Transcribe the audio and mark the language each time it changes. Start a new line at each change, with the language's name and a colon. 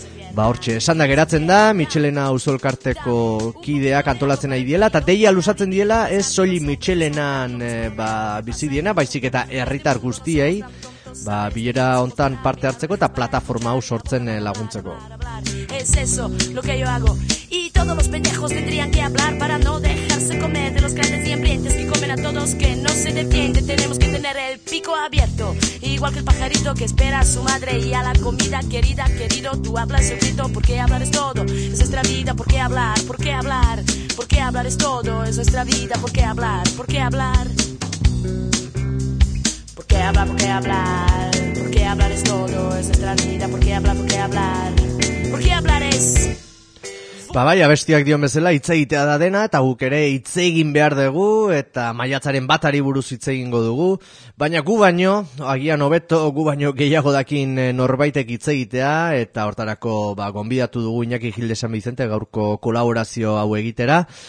Basque: Ba hortxe, esan da geratzen da, Michelena auzolkarteko kideak antolatzen nahi diela, eta deia luzatzen diela, ez soli Michelenan ba, bizidiena, baizik eta herritar guztiei, ba, bilera hontan parte hartzeko eta plataforma hau sortzen laguntzeko.
Spanish: Es eso lo que yo hago. Y todos los pendejos tendrían que hablar para no dejarse comer de los grandes y hambrientes que comen a todos que no se defiende. Tenemos que tener el pico abierto, igual que el pajarito que espera a su madre y a la comida querida, querido, tú hablas el grito, porque hablar es todo, es nuestra vida, porque hablar, porque hablar, porque hablar es todo, es nuestra vida, porque hablar, porque hablar. Porque hablar, porque hablar, porque hablar es todo, es nuestra vida, porque hablar, porque hablar, porque hablar es.
Basque: Ba bai, abestiak dion bezala, hitz egitea da dena, eta guk ere hitz egin behar dugu, eta maiatzaren batari buruz hitz egingo dugu, baina gu baino, agian hobeto, gu baino gehiago dakin norbaitek hitz egitea, eta hortarako ba, gonbidatu dugu Iñaki Gilde San Vicente gaurko kolaborazio hau egitera.